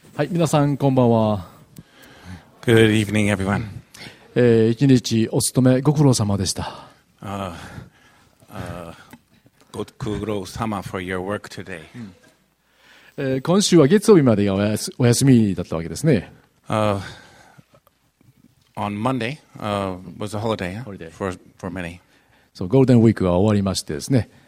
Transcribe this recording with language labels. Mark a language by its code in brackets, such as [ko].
[ja] はい、皆さんこんばんは。 [en] Good evening, everyone. [ja] 一日お勤めご苦労様でした。 [en] ご苦労様 for your work today. [ja] 今週は月曜日までがお休みだったわけですね。 [en] On Monday, was a holiday for many. [ja] So, Golden Week は終わりましてですね。